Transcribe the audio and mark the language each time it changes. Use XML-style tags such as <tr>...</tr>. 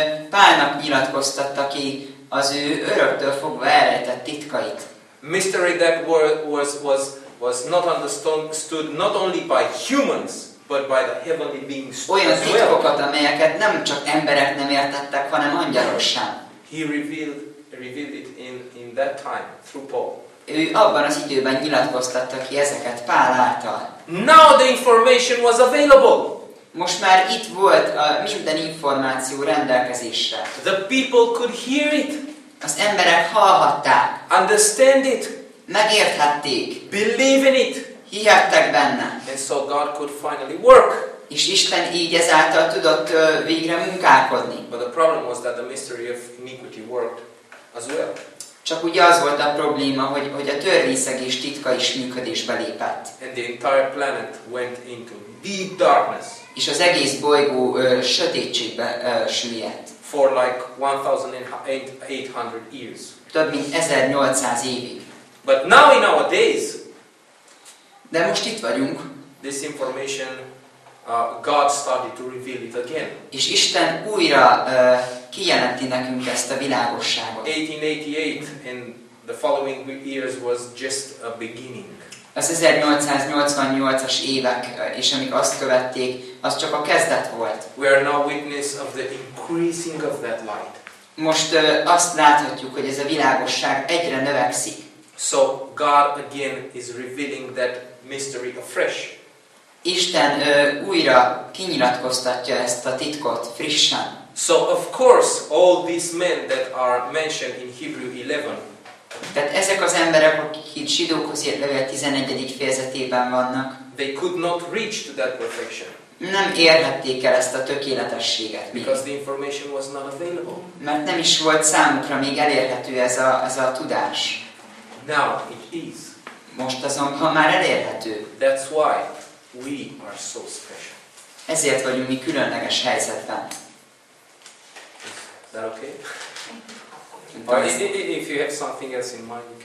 <hu>Pálnak nyilatkoztatta ki az ő öröktől fogva elrejtett titkait.</hu> <en>Mystery that was not understood not only by humans but by the heavenly beings.</en> <hu>Olyan titkokat, amelyeket nem csak emberek nem értettek, hanem angyalok sem.</hu> <en>He revealed it in that time through Paul.</en> <hu>Ő abban az időben nyilatkoztatta ki ezeket Pál által.</hu> <en>Now the information was available.</en> <hu>Most már itt volt a minden információ rendelkezésre.</hu> <en>The people could hear it.</en> <hu>Az emberek hallhatták.</hu> <en>Understand it.</en> <hu>Megérthették.</hu> <en>Believe in it.</en> <hu>Hihettek benne.</hu> <en>And so God could finally work.</en> <hu>És Isten így ezáltal tudott végre munkálkodni.</hu> <en>But the problem was that the mystery of iniquity worked as well.</en> <hu>Csak ugye az volt a probléma, hogy a törvényszegés titka is működésbe lépett.</hu> <en>And the entire planet went into deep darkness.</en> <hu>És az egész bolygó sötétségbe süllyedt.</hu> <en>For like 1800 years.</en> <hu>Több mint 1800 évig.</hu> <en>But now in our days,</en> <hu>de most itt vagyunk.</hu> <en>This information, God started to reveal it again.</en> <hu>És Isten újra kijelenti nekünk ezt a világosságot.</hu> <en>1888 and the following years was just a beginning.</en> <hu>Az 1888-as évek, és amik azt követték, az csak a kezdet volt.</hu> <en>We are now witness of the increasing of that light.</en> <hu>Most azt láthatjuk, hogy ez a világosság egyre növekszik.</hu> <en>So God again is revealing that mystery afresh.</en> <hu>Isten újra kinyilatkoztatja ezt a titkot frissen.</hu> <en>So of course all these men that are mentioned in Hebrew 11.</en> <hu>Tehát ezek az emberek, akik itt Zsidókhoz írt levél 11. fejezetében vannak.</hu> <en>They could not reach to that perfection.</en> <hu>Nem érhették el ezt a tökéletességet.</hu> <en>Because the information was not available.</en> <hu>Mert nem is volt számukra még elérhető ez a tudás.</hu> <en>Now it is.</en> <hu>Most azonban már elérhető.</hu> <en>That's why we are so special.</en> <hu>Ezért vagyunk mi különleges helyzetben.</hu> <en>Is that okay? Or if you have something else in mind, you can.</en>